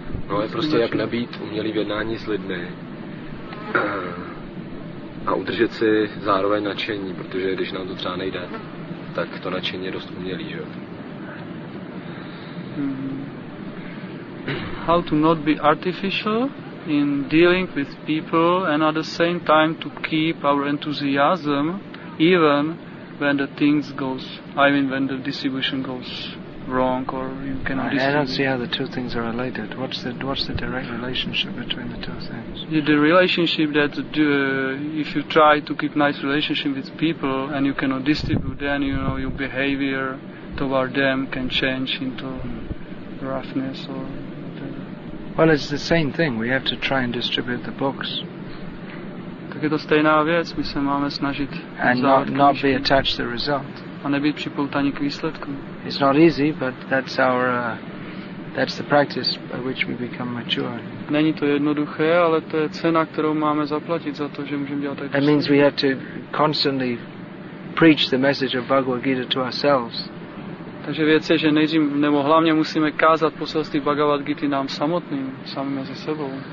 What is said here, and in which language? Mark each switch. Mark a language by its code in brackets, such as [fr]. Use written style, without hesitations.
[cs] No, je prostě jak nebýt umělý v jednání s lidmi. A udržet si zároveň nadšení, protože když nám to třeba nejde, tak to nadšení je dost umělý, že jo? [en] How to not be artificial in dealing with people and at the same time to keep our enthusiasm even when the things goes, I mean when the distribution goes wrong or you cannot distribute. I don't see how the two things are related. What's the direct relationship between the two things? The relationship that if you try to keep nice relationship with people and you cannot distribute, then you know your behavior toward them can change into roughness or whatever. Well, it's the same thing. We have to try and distribute the books. [cs] Tak je to stejná věc. My se máme snažit. [en] And not be attached to the result. [cs] A nebýt připoutaní k výsledku. [en] It's not easy, but that's our that's the practice by which we become mature. [cs] Není to jednoduché, ale to je cena, kterou máme zaplatit za to, že můžeme dělat tak. [en] It means we have to constantly preach the message of Bhagavad Gita to ourselves. [cs] Takže věc je, že nejdřív, nebo hlavně musíme kázat poselství Bhagavad Gita nám samotným, samým za sebou.